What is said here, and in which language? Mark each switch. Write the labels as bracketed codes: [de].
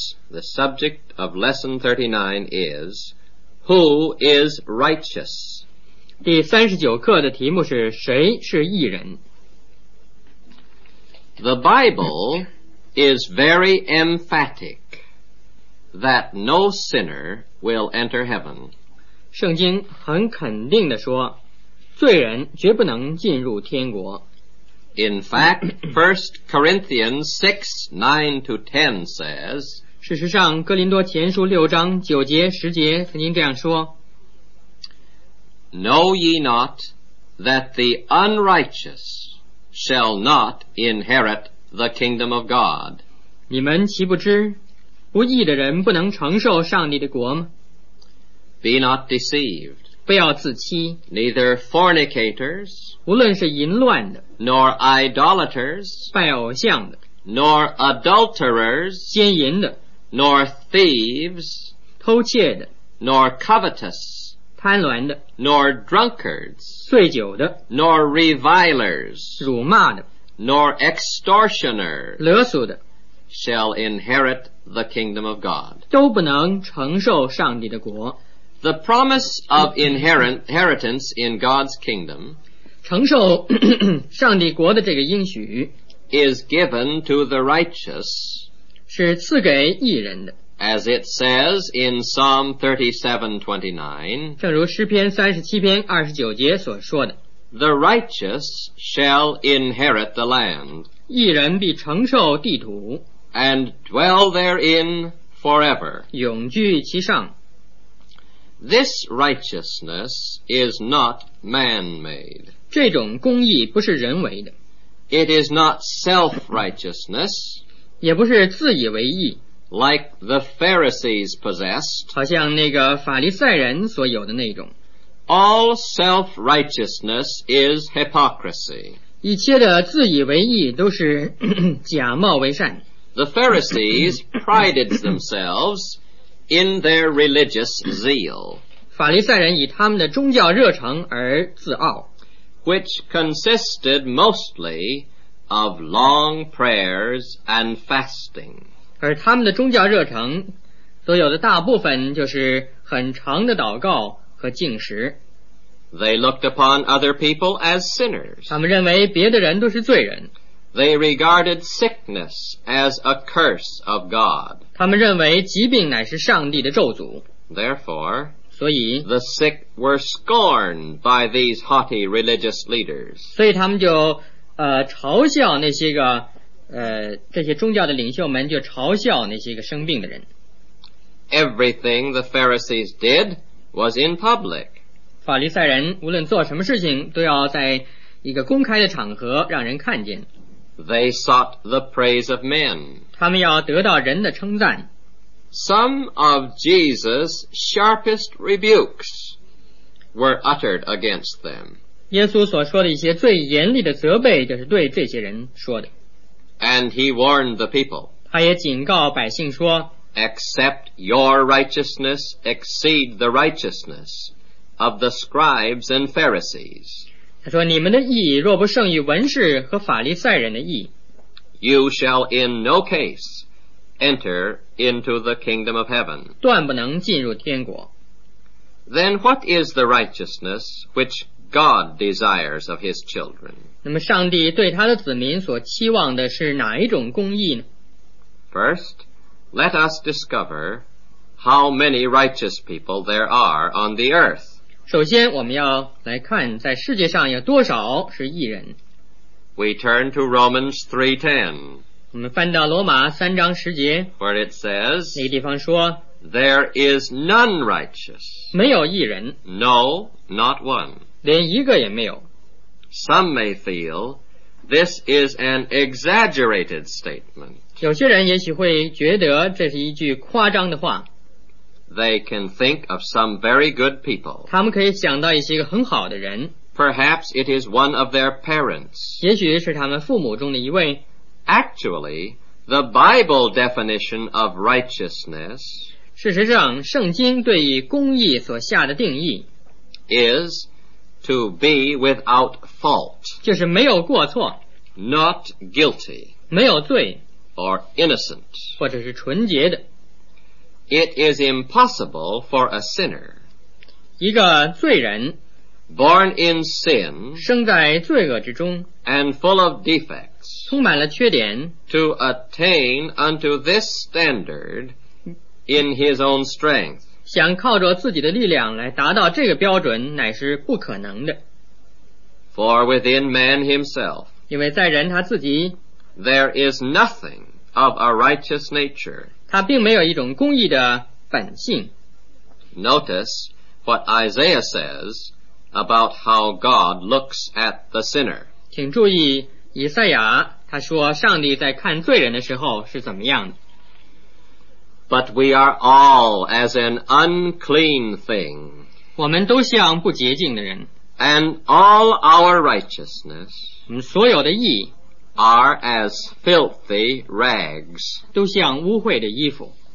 [en] The subject of lesson 39 is, Who is righteous? [zh] 第39课的题目是谁是义人。 [en] The Bible is very emphatic that no sinner will enter heaven. [zh] 圣经很肯定地说罪人绝不能进入天国。 [en] In fact, 1 Corinthians 6, 9 to 10 says, [zh] 事实上，哥林多前书六章九节十节曾经这样说， [en] Know ye not that the unrighteous shall not inherit the kingdom of God? [zh] 你们岂不知，不义的人不能承受上帝的国吗？ [en] Be not deceived. [zh] 不要自欺。 [en] Neither fornicators, [zh] 无论是淫乱的， [en] nor idolaters, [zh] 拜偶像的， [en] nor adulterers, [zh] 奸淫的， [en] nor thieves, [zh] 偷窃的， [en] nor covetous, [zh] 贪婪的， [en] nor drunkards, [zh] 醉酒的， [en] nor revilers, [zh] 辱骂的， [en] nor extortioners, [zh] 勒索的， [en] shall inherit the kingdom of God, [zh] 都不能承受上帝的国。 [en] The promise of inheritance in God's kingdom [zh] 承受上帝国的这个应许 [en] is given to the righteous [zh] 是赐给义人的 [en] as it says in Psalm 37:29 [zh] 正如诗篇37篇29节所说的 [en] The righteous shall inherit the land [zh] 义人必承受地土 [en] and dwell therein forever [zh] 永居其上。 [en] This righteousness is not man-made. [zh] 这种公义不是人为的。 [en] It is not self-righteousness. [zh] 也不是自以为义。 [en] Like the Pharisees possessed. [zh] 好像那个法利赛人所有的那种。 [en] All self-righteousness is hypocrisy. [zh] 一切的自以为义都是假冒为善。 [en] The Pharisees prided themselves in their religious zeal, [zh] 法利赛人以他们的宗教热诚而自傲， [en] which consisted mostly of long prayers and fasting. [zh] 而他们的宗教热诚所有的大部分就是很长的祷告和禁食。 [en] They looked upon other people as sinners. [zh] 他们认为别的人都是罪人。 [en] They regarded sickness as a curse of God. [zh] 他们认为疾病乃是上帝的咒诅。 [en] Therefore, [zh] 所以 [en] the sick were scorned by these haughty religious leaders. [zh] 所以他们就嘲笑那些个这些宗教的领袖们就嘲笑那些个生病的人。 [en] Everything the Pharisees did was in public. [zh] 法利赛人无论做什么事情都要在一个公开的场合让人看见。 [en] They sought the praise of men. [zh] 他们要得到人的称赞。 [en] Some of Jesus' sharpest rebukes were uttered against them. [zh] 耶稣所说的一些最严厉的责备就是对这些人说的。 [en] And he warned the people. [zh] 他也警告百姓说， [en] except your righteousness exceed the righteousness of the scribes and Pharisees. [zh] 他说你们的义若不胜于文士和法利赛人的义。 [en] You shall in no case enter into the kingdom of heaven. [zh] 断不能进入天国。 [en] Then what is the righteousness which God desires of his children? [zh] 那么上帝对他的子民所期望的是哪一种公义呢？ [en] First, let us discover how many righteous people there are on the earth. [zh] 首先我们要来看在世界上有多少是义人。 [en] We turn to Romans 3:10. [zh] 我们翻到罗马三章十节。 [en] Where it says, [zh] 那个地方说, [en] There is none righteous. [zh] 没有义人。 [en] No, not one. [zh] 连一个也没有。 [en] Some may feel this is an exaggerated statement. [zh] 有些人也许会觉得这是一句夸张的话。 [en] They can think of some very good people. [zh] 他们可以想到一些很好的人。 [en] Perhaps it is one of their parents. [zh] 也许是他们父母中的一位。 [en] Actually, the Bible definition of righteousness [zh] 事实上圣经对于公义所下的定义 [en] is... To be without fault. [zh] 就是没有过错。 [en] Not guilty. [zh] 没有罪。 [en] Or innocent. [zh] 或者是纯洁的。 [en] It is impossible for a sinner. [zh] 一个罪人。 [en] Born in sin. [zh] 生在罪恶之中。 [en] And full of defects. [zh] 充满了缺点。 [en] To attain unto this standard in his own strength. [zh] 想靠着自己的力量来达到这个标准乃是不可能的。 [en] For within man himself, [zh] 因为在人他自己 [en] there is nothing of a righteous nature. [zh] 他并没有一种公义的本性。 [en] Notice what Isaiah says about how God looks at the sinner. [zh] 请注意以赛亚他说上帝在看罪人的时候是怎么样的。 [en] But we are all as an unclean thing. [zh] 我们都像不洁净的人。 [en] And all our righteousness, [zh] 我们所有的义, [en] are as filthy rags. [zh] 都像污秽的衣服。